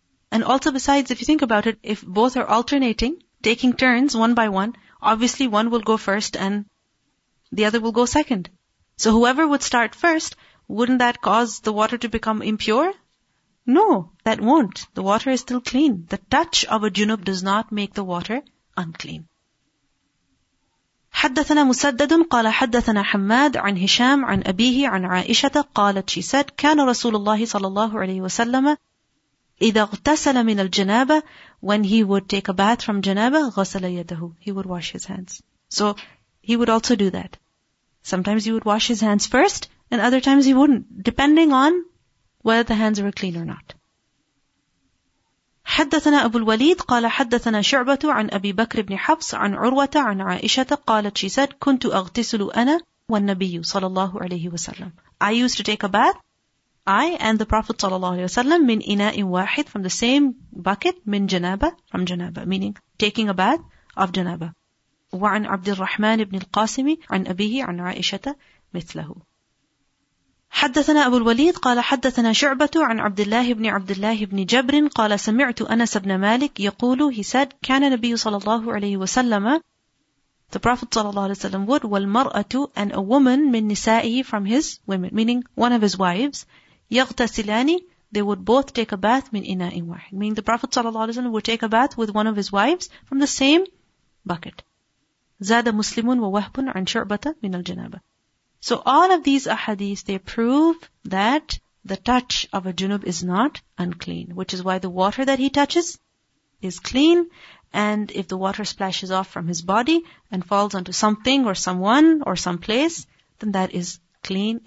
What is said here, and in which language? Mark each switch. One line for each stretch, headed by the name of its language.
English: And also besides, if you think about it, if both are alternating, taking turns one by one, obviously one will go first and the other will go second. So whoever would start first, wouldn't that cause the water to become impure? No, that won't. The water is still clean. The touch of a junub does not make the water unclean.
Arabic: حدثنا مسدد قال حدثنا حماد عن هشام عن أبيه عن عائشة قالت
English: she said
Arabic: كان رسول الله صلى الله عليه وسلم إذا اغتسل من الجنابة
English: when he would take a bath from janaba
Arabic: غسل يده,
English: he would wash his hands. So he would also do that. Sometimes he would wash his hands first, and other times he wouldn't, depending on whether the hands were clean or not.
Arabic: حدثنا أبو الوليد قال حدثنا شعبة عن أبي بكر بن حفص عن عروة عن عائشة قالت
English: she said
Arabic: كنت أغتسل أنا والنبي صلى الله عليه وسلم.
English: I used to take a bath, I and the Prophet
Arabic: صلى الله عليه وسلم, من إناء واحد,
English: from the same bucket,
Arabic: من جنابة,
English: from جنابة, meaning taking a bath of جنابة.
Arabic: وعن عبد الرحمن بن القاسم عن أبيه عن عائشة مثله. حدثنا أبو الوليد قال حدثنا شعبة عن عبد الله بن عبد الله بن جبر قال سمعت أنس بن مالك يقول
English: he said
Arabic: كان النبي صلى الله عليه وسلم
English: the Prophet
Arabic: صلى الله عليه وسلم
English: would
Arabic: والمرأة
English: and a woman
Arabic: من نسائه
English: from his women, meaning one of his wives,
Arabic: يغتسلان,
English: they would both take a bath
Arabic: من إناء واحد,
English: meaning the Prophet صلى الله عليه وسلم would take a bath with one of his wives from the same bucket.
Arabic: زاد مسلم ووهب عن شعبة من الجنابة.
English: So all of these ahadith, they prove that the touch of a junub is not unclean, which is why the water that he touches is clean, and if the water splashes off from his body and falls onto something or someone or some place, then that is clean.